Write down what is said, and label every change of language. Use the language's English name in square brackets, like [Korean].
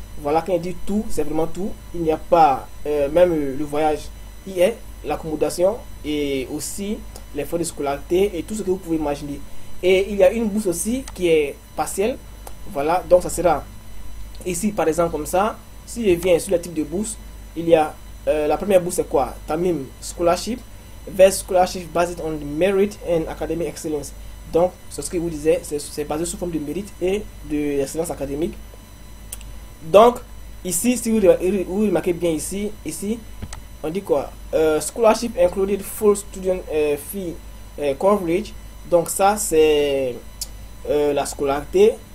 [French] Voilà, quand il dit tout, c'est vraiment tout. Il n'y a pas même le voyage, il y a l'accommodation et aussi les frais de scolarité et tout ce que vous pouvez imaginer. Et il y a une bourse aussi qui est partielle, voilà, donc ça sera Ici, par exemple, comme ça, si je viens sur le type de bourse, il y a la première bourse, c'est quoi? [English] Tamim Scholarship, vers Scholarship Based on Merit and Academic Excellence. [French] Donc, c'est ce que vous disiez, c'est basé sous forme de mérite et de l'excellence académique. Donc, ici, si vous remarquez bien ici, on dit quoi? [English] Scholarship included full student fee coverage. [French] Donc, ça, c'est la scolarité.